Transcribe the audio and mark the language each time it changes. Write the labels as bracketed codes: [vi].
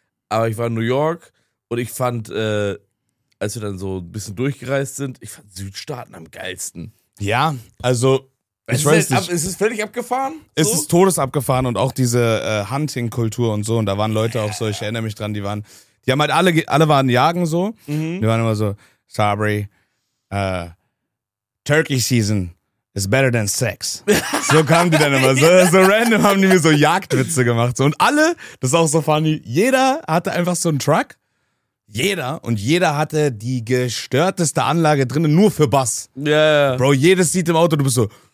[de] Aber ich war in New York und ich fand, als wir dann so ein bisschen durchgereist sind, ich fand Südstaaten am geilsten. Ja, also, ich weiß nicht. Ist es völlig abgefahren? Es ist todesabgefahren und auch diese Hunting-Kultur und so. Und da waren Leute auch so, ich erinnere mich dran, die haben halt alle waren jagen so. Mhm. Die waren immer so, sorry, [en] Turkey Season is better than Sex. [de] So kamen die dann immer. So random haben die mir so Jagdwitze gemacht. Und alle, das ist auch so funny, jeder hatte einfach so einen Truck. Jeder. Und jeder hatte die gestörteste Anlage drinnen, nur für Bass. Ja, yeah. Bro, jedes Seat im Auto, du bist so...